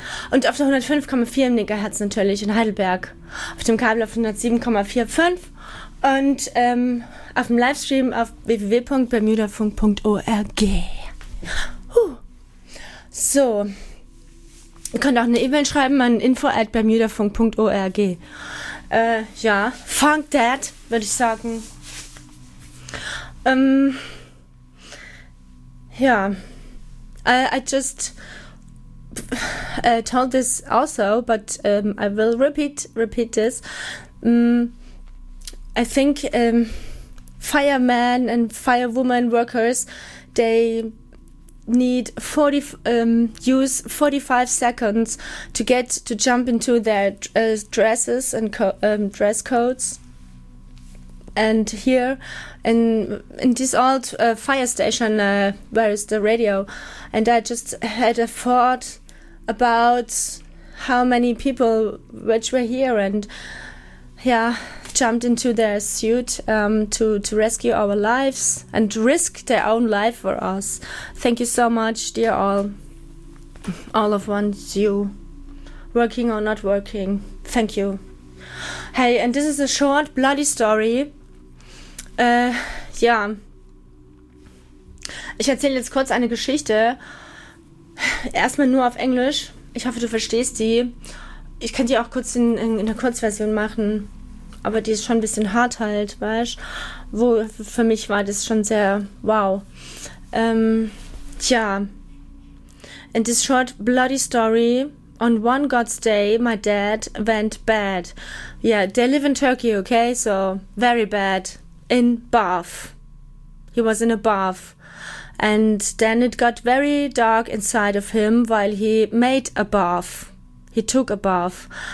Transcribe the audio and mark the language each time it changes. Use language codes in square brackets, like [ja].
[de] Und auf der 105,4 im Megahertz natürlich in Heidelberg. Auf dem Kabel auf 107,45 und auf dem Livestream auf www.bermudafunk.org. So, Ihr könnt auch eine E-Mail schreiben an info@bermudafunk.org. Ja, Funk Dad, würde ich sagen. [en] Ja, I just told this also, but I will repeat this. I think firemen and firewoman workers, they need 45 seconds to get to jump into their dresses and dress codes. And here in this old fire station where is the radio, and I just had a thought about how many people which were here and yeah jumped into their suit to rescue our lives and risk their own life for us. Thank you so much, dear all of ones, you working or not working, thank you. Hey, and this is a short bloody story. [de] Ja, ich erzähle jetzt kurz eine Geschichte, erstmal nur auf Englisch, ich hoffe, du verstehst die. Ich kann die auch kurz in der Kurzversion machen, aber die ist schon ein bisschen hart halt, weißt du, wo für mich war das schon sehr wow. [en] Tja, in this short bloody story, on one God's day, my dad went bad. Yeah, they live in Turkey, okay, so very bad. In bath. He was in a bath. And then it got very dark inside of him while he made a bath. He took a bath.